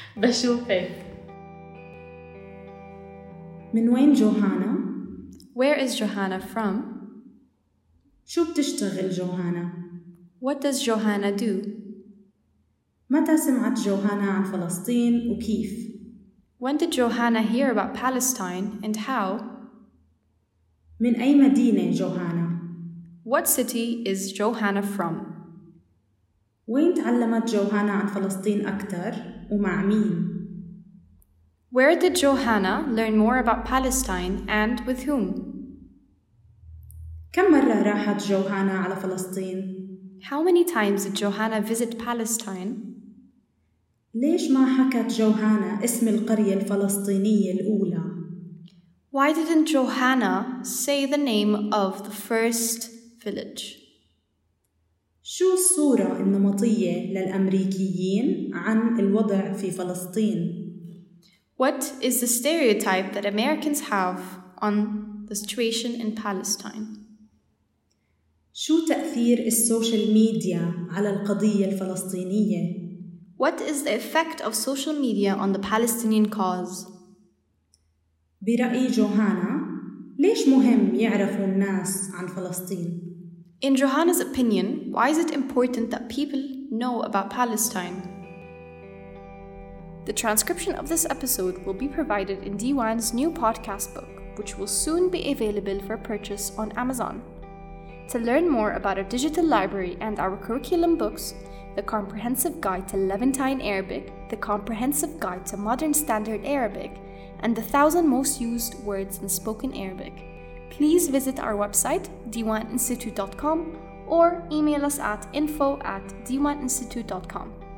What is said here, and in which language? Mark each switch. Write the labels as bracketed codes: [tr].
[ar] بشوفك. من وين جوهانا؟ [en] Where is Johanna from؟ [ar] شو بتشتغل جوهانا؟ [en] What does Johanna do؟ [ar] متى سمعت جوهانا عن فلسطين وكيف؟ [en] When did Johanna hear about Palestine and how? [ar] من أي مدينة جوهانا؟ [en] What city is Johanna from? [ar] وين تعلمت جوهانا عن فلسطين أكثر ومع مين؟ [en] Where did Johanna learn more about Palestine and with whom? [ar] كم مرة راحت جوهانا على فلسطين؟ [en] How many times did Johanna visit Palestine? [ar] ليش ما حكت جوهانا اسم القرية الفلسطينية الأولى؟ [en] Why didn't Johanna say the name of the first village? [ar] شو الصورة النمطية للأمريكيين عن الوضع في فلسطين؟ [en] What is the stereotype that Americans have on the situation in Palestine? [ar] شو تأثير السوشيال ميديا على القضية الفلسطينية؟ [en] What is the effect of social media on the Palestinian cause? [ar] برأي جوهانا، ليش مهم يعرفوا الناس عن فلسطين؟ [en] In Johanna's opinion, why is it important that people know about Palestine? The transcription of this episode will be provided in D1's new podcast book, which will soon be available for purchase on Amazon. To learn more about our digital library and our curriculum books, The Comprehensive Guide to Levantine Arabic, The Comprehensive Guide to Modern Standard Arabic, and The 1000 Most Used Words in Spoken Arabic, please visit our website, diwaninstitute.com, or email us at info@diwaninstitute.com.